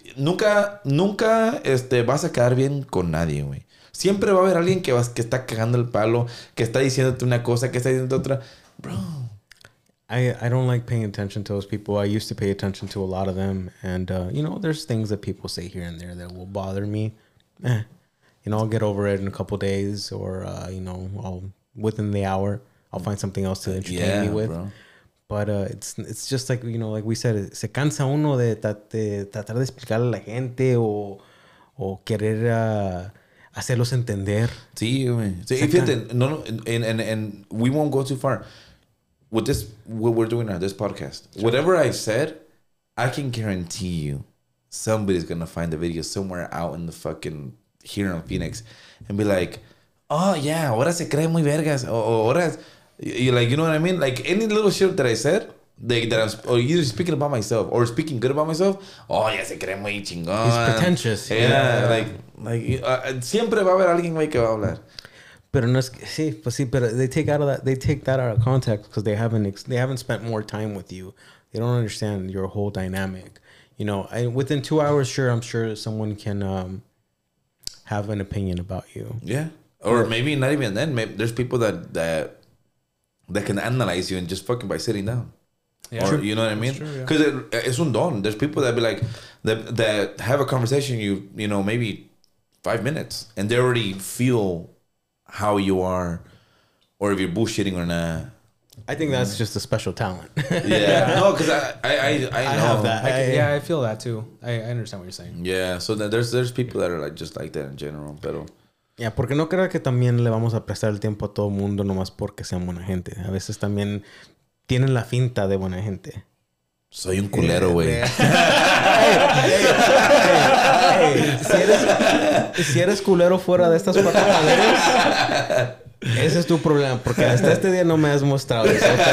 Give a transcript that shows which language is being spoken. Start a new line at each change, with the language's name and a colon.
Spanish: Nunca vas a quedar bien con nadie, güey. Siempre va a haber alguien que está cagando el palo, que está diciéndote una cosa, que está diciendo otra.
English: Bro. I don't like paying attention to those people. I used to pay attention to a lot of them. And, you know, there's things that people say here and there that will bother me. You know, I'll get over it in a couple of days or, you know, within the hour, I'll find something else to entertain yeah, me with. Bro. But it's just like, you know, like we said,
Spanish: se cansa uno de tratar de explicarle a la gente o querer hacerlos entender. Sí, güey. Sí, fíjate,
English: and we won't go too far. With this, what we're doing now, this podcast, sure. Whatever I said, I can guarantee you somebody's going to find the video somewhere out in the fucking, here in Phoenix, and be like, oh, yeah,
Spanish: ahora se cree muy vergas, o ahora...
English: You like, you know what I mean? Like any little shit that I said, that I'm, or either speaking about myself or speaking good about myself.
Spanish: Oh, ya se cree muy chingón.
English: He's pretentious. Yeah.
Spanish: Like siempre va a haber alguien que va a hablar. Pero no es que, sí, pues sí, pero
English: they take that out of context because they haven't spent more time with you. They don't understand your whole dynamic. You know, within 2 hours, sure, I'm sure someone can have an opinion about you. Yeah, or maybe not even then. Maybe there's people that can analyze you and just fucking by sitting down. Yeah. Or, you know what I mean? Because it's un don. There's people that be like, that have a conversation, you know, maybe 5 minutes and they already feel how you are or if you're bullshitting or not. I think that's just a special talent. Yeah. No, because I know. I have that. I feel that too. I understand what you're saying. Yeah. So there's people that are like just like that in general, pero...
Spanish: Ya, yeah, porque no creo que también le vamos a prestar el tiempo a todo el mundo nomás porque sean buena gente. A veces también tienen la finta de buena gente. Soy un culero, güey. Hey, si eres culero fuera de estas cuatro paredes, ese es tu problema, porque hasta este día no me has mostrado eso.